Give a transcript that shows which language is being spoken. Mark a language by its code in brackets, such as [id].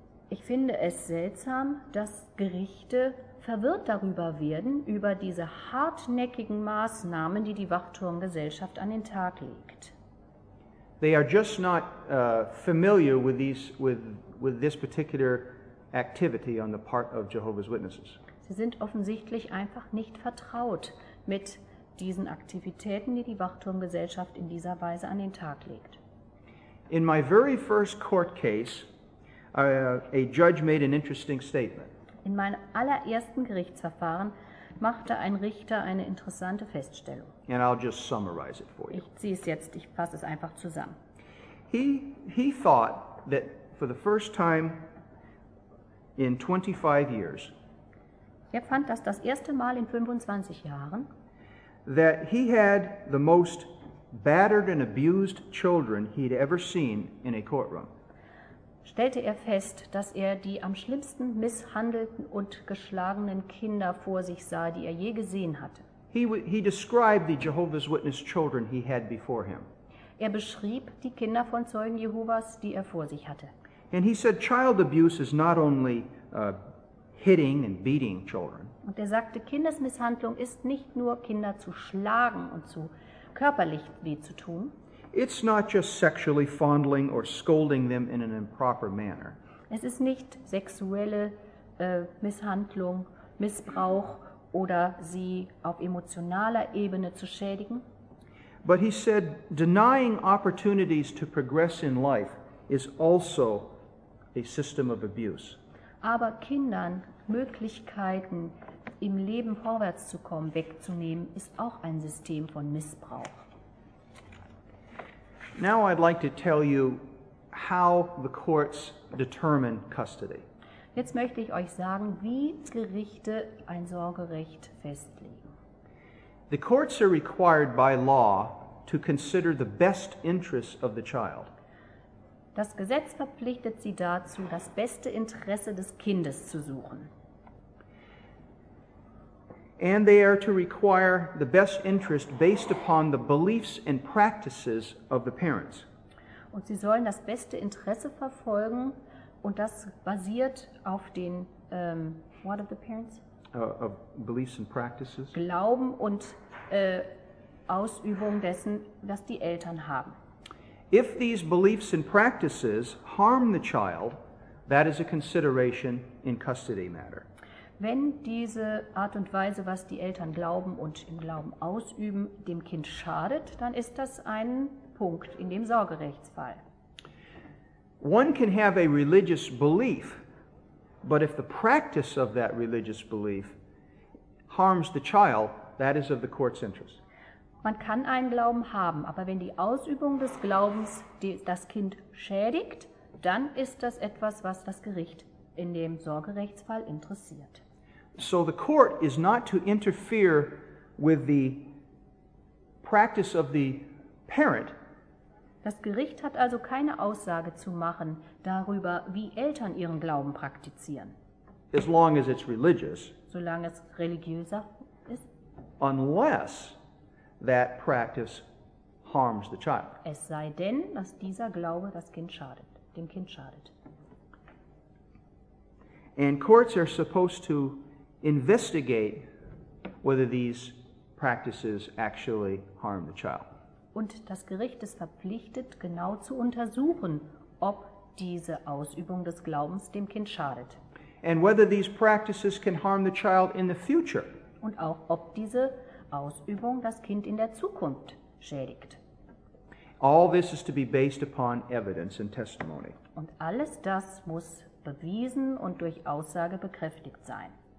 [de] Ich finde es seltsam, dass Gerichte verwirrt darüber werden, über diese hartnäckigen Maßnahmen, die die Wachturmgesellschaft an den Tag legt. [en] They are just not familiar with this particular activity on the part of Jehovah's Witnesses. [de] Sie sind offensichtlich einfach nicht vertraut mit diesen Aktivitäten, die die Wachturmgesellschaft in dieser Weise an den Tag legt. [en] In my very first court case, a judge made an interesting statement. [de] In meinem allerersten Gerichtsverfahren machte ein Richter eine interessante Feststellung. [en] And I'll just summarize it for you. [de] Ich fasse es einfach zusammen. [en] He thought that for the first time in 25 years, [de] er fand, dass das erste Mal in 25 Jahren, [en] that he had the most battered and abused children he'd ever seen in a courtroom. [de] Stellte er fest, dass er die am schlimmsten misshandelten und geschlagenen Kinder vor sich sah, die er je gesehen hatte. [en] He described the Jehovah's Witness children he had before him. [de] Er beschrieb die Kinder von Zeugen Jehovas, die er vor sich hatte. [en] And he said child abuse is not only hitting and beating children. [de] Und er sagte, Kindesmisshandlung ist nicht nur Kinder zu schlagen und zu körperlich weh zu tun. [en] It's not just sexually fondling or scolding them in an improper manner. [de] Es ist nicht sexuelle Misshandlung, Missbrauch oder sie auf emotionaler Ebene zu schädigen. [en] But he said denying opportunities to progress in life is also a system of abuse. [de] Aber Kindern Möglichkeiten im Leben vorwärts zu kommen, wegzunehmen, ist auch ein System von Missbrauch. [en] Now I'd like to tell you how the courts determine custody. [de] Jetzt möchte ich euch sagen, wie Gerichte ein Sorgerecht festlegen. [en] The courts are required by law to consider the best interests of the child. [de] Das Gesetz verpflichtet sie dazu, das beste Interesse des Kindes zu suchen. [en] And they are to require the best interest based upon the beliefs and practices of the parents. [de] Und sie sollen das beste Interesse verfolgen und das basiert auf den [en] what of the parents? Of beliefs and practices. [de] Glauben und Ausübung dessen, was die Eltern haben. [en] If these beliefs and practices harm the child, that is a consideration in custody matter. [de] Wenn diese Art und Weise, was die Eltern glauben und im Glauben ausüben, dem Kind schadet, dann ist das ein Punkt in dem Sorgerechtsfall. [en] One can have a religious belief, but if the practice of that religious belief harms the child, that is of the court's interest. [de] Man kann einen Glauben haben, aber wenn die Ausübung des Glaubens das Kind schädigt, dann ist das etwas, was das Gericht in dem Sorgerechtsfall interessiert. [en] So the court is not to interfere with the practice of the parent. [de] Das Gericht hat also keine Aussage zu machen darüber, wie Eltern ihren Glauben praktizieren. [en] As long as it's religious. [de] Solange es religiöser ist. [en] Unless that practice harms the child. [de] Es sei denn, dass dieser Glaube das Kind schadet, dem Kind schadet. [en] And courts are supposed to investigate whether these practices actually harm the child. [de] Und das Gericht ist verpflichtet, genau zu untersuchen, ob diese Ausübung des Glaubens dem Kind schadet. [en] And whether these practices can harm the child in the future. [de] Und auch, ob diese Ausübung das Kind in der Zukunft schädigt. [en] All this is to be based upon evidence and testimony. [de] Und alles das muss bewiesen und durch Aussage bekräftigt sein.